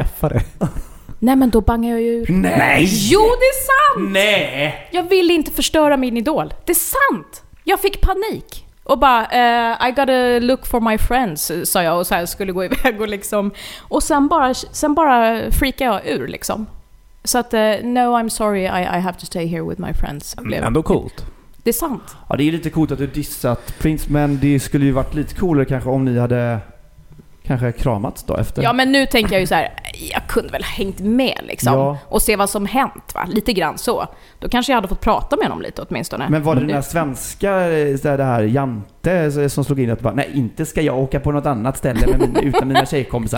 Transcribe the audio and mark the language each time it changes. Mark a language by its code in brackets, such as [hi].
[sv] Att skaffa det. Nej, men då bangar jag ju ur. Nej! Jo, det är sant! Nej! Jag vill inte förstöra min idol. Det är sant! Jag fick panik. Och bara, [en] I gotta look for my friends, [sv] sa jag. Och så här skulle gå iväg och liksom... Och sen bara freakade jag ur liksom. Så att, [en] no, I'm sorry, I have to stay here with my friends. [sv] Blev. Ändå coolt. Det är sant. Ja, det är lite coolt att du dissat Prince, men det skulle ju varit lite coolare kanske om ni hade... Kanske kramat då efter. Ja, men nu tänker jag ju så här, jag kunde väl ha hängt med liksom, ja. Och se vad som hänt, va? Lite grann så. Då kanske jag hade fått prata med honom lite åtminstone. Men var det den där svenska, det här Jante som slog in att bara, nej, inte ska jag åka på något annat ställe med utan mina tjejkompisar.